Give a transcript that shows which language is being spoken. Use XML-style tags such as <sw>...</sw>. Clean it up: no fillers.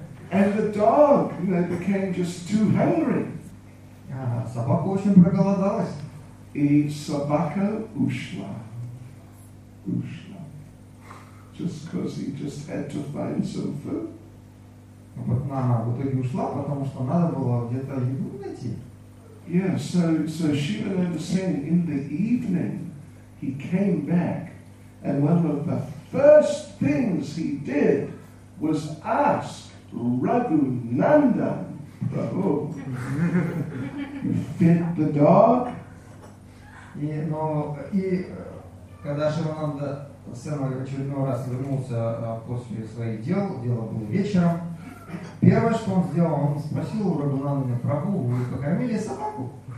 <en>And the dog, you know, became just too hungry.</en> <ru>Собака очень проголодалась. И собака ушла. Ушла.</ru> <en>Just because he just had to find some food.</en> <ru>Она в итоге ушла, потому что надо было где-то еду найти.</ru> <en>Yeah, so Shivananda Sen, in the evening, he came back, and one of the first things he did was ask Raghunandan Prabhu, you fed the dog?</en> <ru>И когда Шивананда Сен в очередной раз вернулся после своих дел было вечером, первое, что он сделал, он спросил у Рагунандана Прабху, вы покормили собаку?</ru>